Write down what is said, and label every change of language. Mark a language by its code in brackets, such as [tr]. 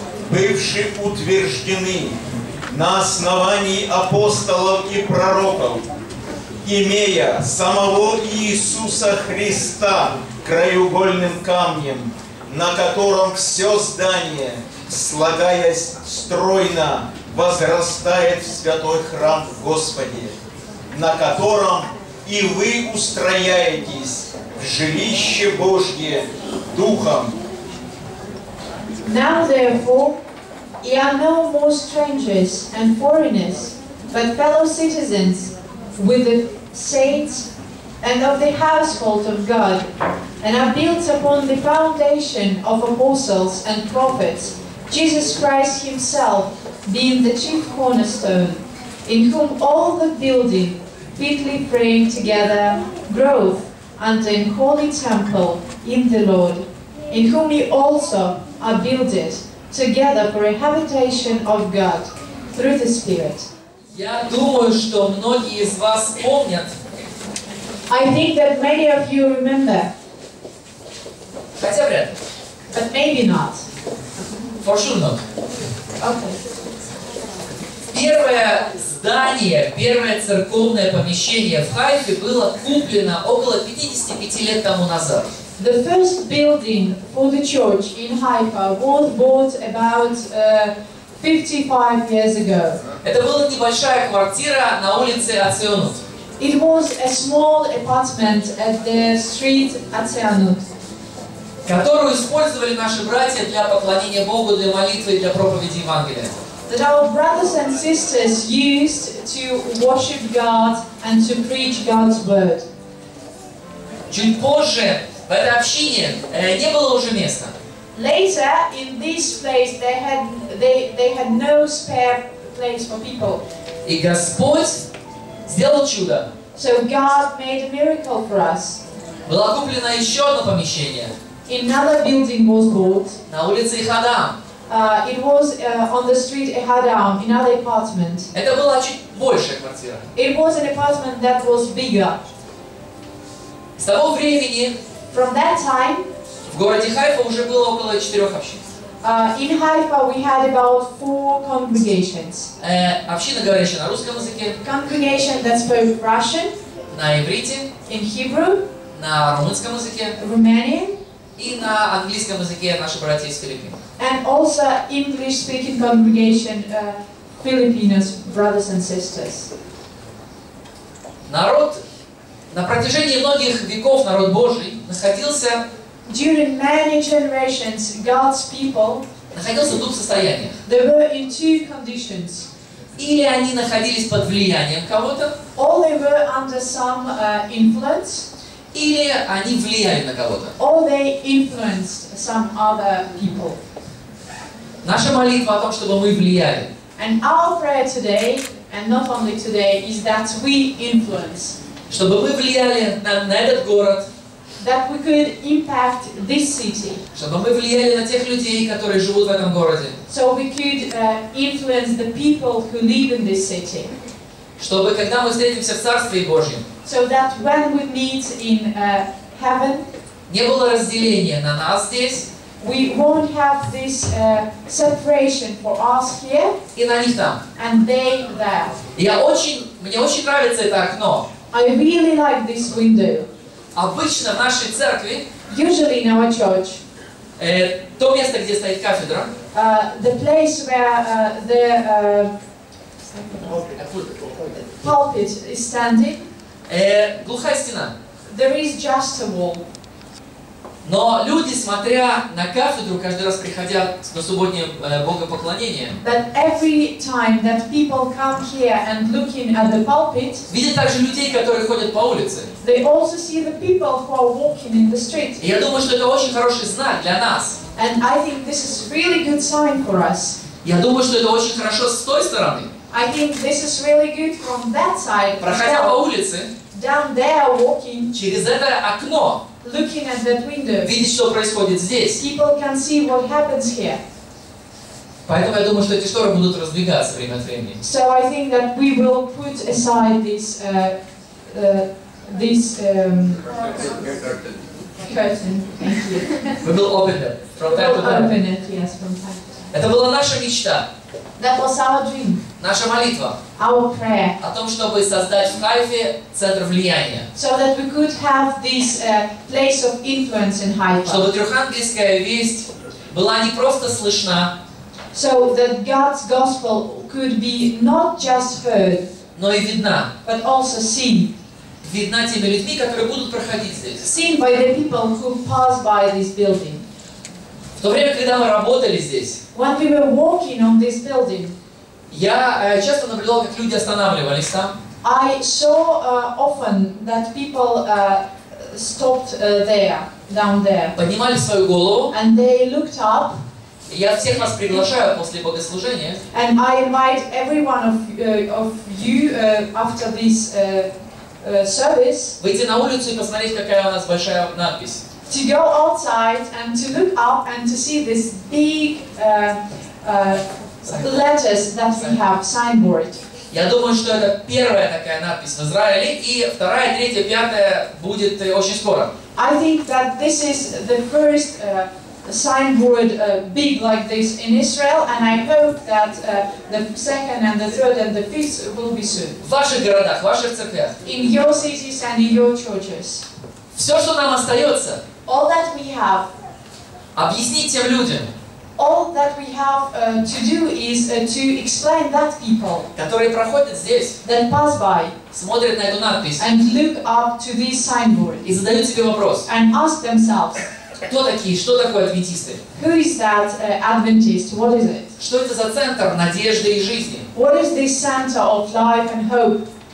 [ru] бывши утверждены на основании апостолов и пророков, имея самого Иисуса Христа краеугольным камнем, на котором все здание, слагаясь стройно, возрастает в святой храм в Господе, на котором и вы устрояетесь в жилище Божье Духом. [en] Now therefore, ye are no more strangers and foreigners, but fellow citizens with the saints and of the household of God, and are built upon the foundation of apostles and prophets, Jesus Christ himself being the chief cornerstone, in whom all the building, fitly framed together, groweth unto an holy temple in the Lord, in whom ye also are builded together for a habitation of God through the Spirit. [ru] Я думаю, что многие из вас помнят. [en] I think that many of you remember. [ru] Хотя вряд. [en] But maybe not. For sure not. Okay. [ru] Первое здание, первое церковное помещение в Хайфе было куплено около 55 лет тому назад. [en] The first building for the church in Haifa was bought about 55 years ago. [ru] Это была небольшая квартира на улице Ацианут. [en] It was a small apartment at the street Ацианут, [ru] которую использовали наши братья для поклонения Богу, для молитвы и для проповеди Евангелия. [en] That our brothers and sisters used to worship God and to preach God's word. [ru] Чуть позже в этой общине не было уже места. [en] Later in this place they had no spare place for people. [ru] И Господь сделал чудо. [en] So God made a miracle for us. [ru] Было куплено еще одно помещение. [en] Another building was bought. [ru] На улице Ихадам. [en] It was on the street Ихадам, another apartment. [ru] Это была чуть большая квартира. [en] It was an apartment that was bigger. [ru] С того времени. [en] From that time. [ru] В городе Хайфа уже было около 4 общин. [en] In Haifa we had about 4 congregations. [ru] Община, говорящая на русском языке. [en] Congregation that spoke Russian. [ru] На иврите. [en] In Hebrew. [ru] На румынском языке. [en] Romanian. [ru] И на английском языке наши братья из Филиппин. [en] And also English-speaking congregation, Filipinos, brothers and sisters. [ru] Народ, на протяжении многих веков народ Божий находился. [en] During many generations, God's people. [ru] Находился в двух состояниях. [en] They were in two conditions. [ru] Или они находились под влиянием кого-то. [en] Or they were under some influence. [ru] Или они влияли на кого-то. [en] Or they influenced some other people. [ru] Наша молитва о том, чтобы мы влияли. [en] And our prayer today, and not only today, is that we influence. [ru] Чтобы мы влияли на этот город. [en] That we could impact this city. [ru] Чтобы мы влияли на тех людей, которые живут в этом городе. [en] So we could influence the people who live in this city. [ru] Чтобы когда мы встретимся в Царстве Божьем. [en] So that when we meet in heaven. [ru] Не было разделения на нас здесь. [en] We won't have this separation for us here. [ru] И на них там. [en] And they there. [ru] Мне очень нравится это окно. [en] I really like this window. [ru] Обычно в нашей церкви. [en] Usually in our church. [ru] То место, где стоит кафедра. [en] The place where the pulpit is standing. [ru] Глухая стена. [en] There is just a wall. [ru] Но люди, смотря на кафедру, каждый раз приходя на субботнее богопоклонение. [en] But every time that people come here and looking at the pulpit. [ru] Видят также людей, которые ходят по улице. [en] They also see the people who are walking in the street. [ru] И я думаю, что это очень хороший знак для нас. [en] And I think this is really good sign for us. [ru] Я думаю, что это очень хорошо с той стороны. [en] I think this is really good from that side. [ru] Проходя по улице. [en] Down there walking. [ru] Через это окно. [en] Looking at that window. [ru] Видеть, что происходит здесь. [en] People can see what happens here. [ru] Поэтому я думаю, что эти шторы будут раздвигаться время от времени. [en] So I think that we will put aside this curtain. We will open them from time to time. Open it, yes, from time to time. [ru] Это была наша мечта. [en] That was our dream. [ru] Наша молитва. [en] Our prayer. [ru] О том, чтобы создать в Хайфе центр влияния. [en] So that we could have this place of influence in Haifa. [ru] Чтобы Трехангельская весть была не просто слышна. [en] So that God's gospel could be not just heard, [ru] но и видна, [en] but also seen. [ru] Видна теми людьми, которые будут проходить здесь. [en] Seen by the people who pass by this building. [ru] В то время, когда мы работали здесь, [en] when we were walking on this building, [ru] я часто наблюдал, как люди останавливались там. [en] I saw often that people stopped there, down there. [ru] Поднимали свою голову. [en] And they looked up. [ru] Я всех вас приглашаю после богослужения. [en] And I invite every one of you after this service. [ru] Выйти на улицу и посмотреть, какая у нас большая надпись. [en] To go outside and to look up and to see this big letters that we have, signboard. [ru] Я думаю, что это первая такая надпись в Израиле, и вторая, третья, пятая будет очень скоро. [en] I think that this is the first signboard big like this in Israel, and I hope that the second and the third and the fifth will be soon. [ru] В ваших городах, в ваших церквях. [en] In your cities and in your churches. [ru] Все, что нам остается. [en] All that we have. [ru] Объяснить тем людям. [en] All that we have to do is to explain that people. [ru] Которые проходят здесь. [en] That pass by. [ru] Смотрят на эту надпись. [en] And look up to this signboard. [ru] И задают себе вопрос. [en] And ask themselves. [ru] Кто такие? Что такое адвентисты? [en] Who is that Adventist? What is it? [ru] Что это за центр надежды и жизни? [en] What is this center of life and hope?